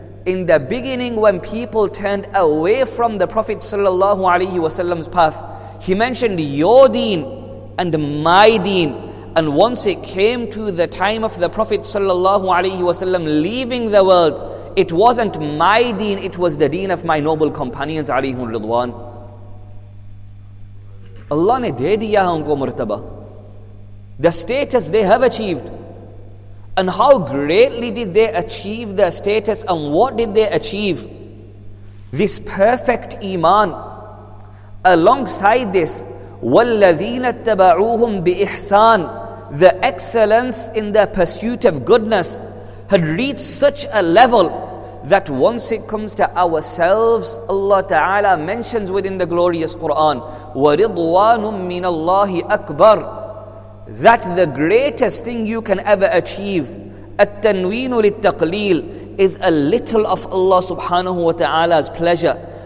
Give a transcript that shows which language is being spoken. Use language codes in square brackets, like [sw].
[en] In the beginning, when people turned away from the Prophet sallallahu alaihi wasallam's path, he mentioned your deen and my deen. And once it came to the time of the Prophet sallallahu alaihi wasallam leaving the world, it wasn't my deen, it was the deen of my noble companions alayhim ridwan. [ur] اللہ نے دے دیا ان کو مرتبہ, [en] the status they have achieved. And how greatly did they achieve their status, and what did they achieve? This perfect iman. Alongside this, [ar] وَالَّذِينَ اتَّبَعُوهُمْ بِإِحْسَانِ, [en] the excellence in their pursuit of goodness had reached such a level that once it comes to ourselves, Allah Ta'ala mentions within the glorious Quran, [ar] وَرِضْوَانٌ مِّنَ اللَّهِ أَكْبَرٌ, [en] that the greatest thing you can ever achieve, [ar] التَّنْوِينُ لِلتَّقْلِيلِ, [en] is a little of Allah Subhanahu Wa Ta'ala's pleasure.